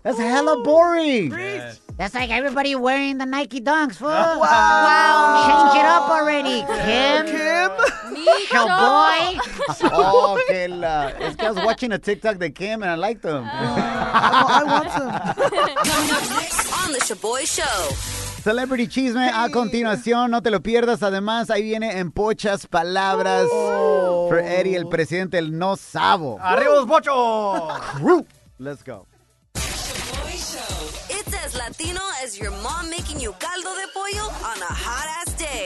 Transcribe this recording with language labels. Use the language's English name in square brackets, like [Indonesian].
[English] That's hella boring. Yes. That's like everybody wearing the Nike Dunks, fool. Wow. Wow. Change it up already, Kim. Kim. Your boy. Oh, Kayla. This girl's watching a TikTok that Kim and I liked them. I want some. Coming up next on the Shaboy Show. [Spanish] Celebrity Chisme, a continuación, no te lo pierdas. Además, ahí viene en pochas palabras for Eddie, el presidente, el no sabo. ¡Arriba los pochos! [English] Crew. Let's go. It's as Latino as your mom making you caldo de pollo on a hot ass day.